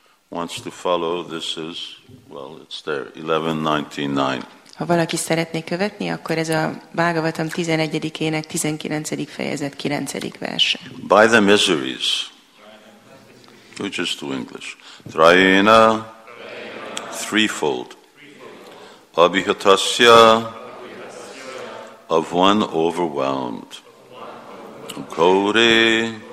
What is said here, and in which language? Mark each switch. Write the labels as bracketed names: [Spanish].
[English] wants to follow, this is, well, it's there, 11.19.9. [Hungarian] Ha valaki szeretné követni, akkor ez a Bhagavatam 11. ének 19. fejezet 9. verse. [English] By the miseries, we're just doing English, Trayena, threefold, Abhihatasya, of one overwhelmed, Kore,